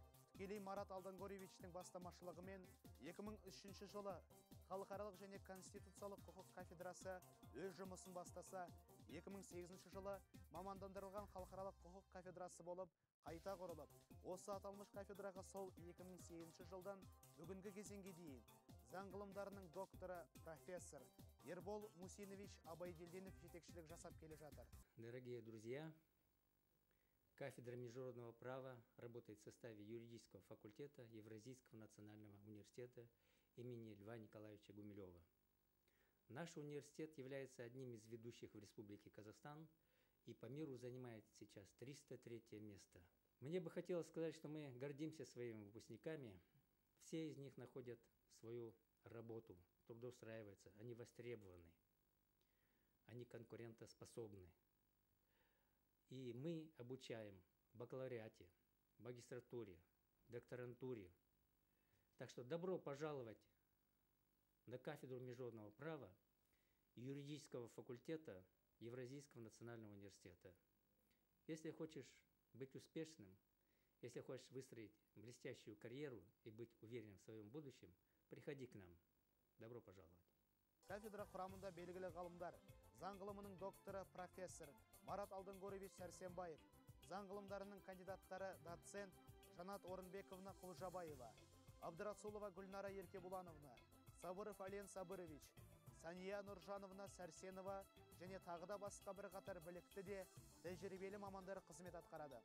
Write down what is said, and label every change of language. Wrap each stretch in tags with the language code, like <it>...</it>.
<kk>Тікелей Марат Алдангоровичтің бастамашылығымен 2003 жылы халықаралық және конституциялық құқық кафедрасы өз жұмысын бастаса, 2008 жылы мамандандырылған халықаралық құқық кафедрасы болып қайта құрылып, осы аталмыш кафедраға сол 2008 жылдан бүгінгі кезеңге дейін заң ғылымдарының докторы профессор Ербол Мусинович Абайделденов жетекшілік жасап келе жатыр.</kk> <ru>Дорогие друзья, кафедра международного права работает в составе юридического факультета Евразийского национального университета имени Льва Николаевича Гумилева. Наш университет является одним из ведущих в Республике Казахстан и по миру занимает сейчас 303 место. Мне бы хотелось сказать, что мы гордимся своими выпускниками. Все из них находят свою работу, трудоустраиваются, они востребованы, они конкурентоспособны. И мы обучаем в бакалавриате, магистратуре, докторантуре. Так что добро пожаловать на кафедру международного права юридического факультета Евразийского национального университета. Если хочешь быть успешным, если хочешь выстроить блестящую карьеру и быть уверенным в своем будущем, приходи к нам. Добро пожаловать.</ru> <kk>Кафедра құрамында белгілі ғалымдар, заң ғылымының докторы профессор Марат Алдынгорович Сәрсенбаев, заң ғылымдарының кандидаттары доцент Жанат Орынбековна Құлжабаева, Абдырасулова Гүлнара Еркебулановна, Сабыров Ален Сабырович, Сания Нұржановна Сәрсенова және тағы да басқа бір қатар білікті де тәжірибелі мамандар қызмет атқарады.</kk>